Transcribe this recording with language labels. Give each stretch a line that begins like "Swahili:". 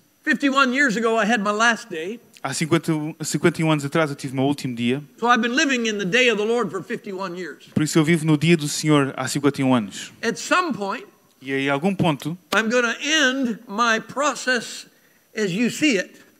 English: 51 years ago I had my last day.
Portuguese: Há 51 anos atrás eu tive o meu último dia.
English: So I've been living in the day of the Lord for 51 years.
Portuguese: Por isso eu vivo no dia do Senhor há 51 anos.
English: At some point,
Portuguese: e aí, a algum ponto,
English: I'm going to end my process as you see it.